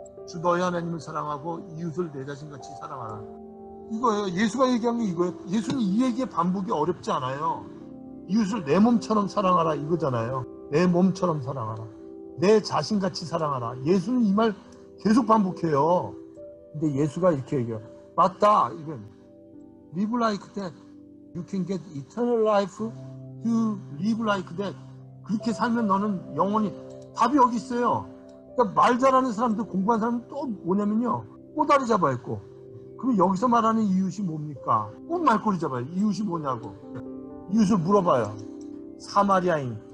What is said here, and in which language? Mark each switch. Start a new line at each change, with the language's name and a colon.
Korean: 주 너의 하나님을 사랑하고 이웃을 내 자신같이 사랑하라. 이거예요. 예수가 얘기한 게 이거예요. 예수는 이 얘기의 반복이 어렵지 않아요. 이웃을 내 몸처럼 사랑하라 이거잖아요. 내 몸처럼 사랑하라. 내 자신같이 사랑하라. 예수는 이 말 계속 반복해요. 근데 예수가 이렇게 얘기해요. 맞다. 이건
English: Live like that. You can get eternal life. You live like that.
Korean: 그렇게 살면 너는 영원히 답이 여기 있어요. 그러니까 말 잘하는 사람들, 공부한 사람은 또 뭐냐면요. 꼬다리 잡아야 했고. 그럼 여기서 말하는 이웃이 뭡니까? 꼭 말꼬리 잡아요. 이웃이 뭐냐고. 이웃을 물어봐요. 사마리아인.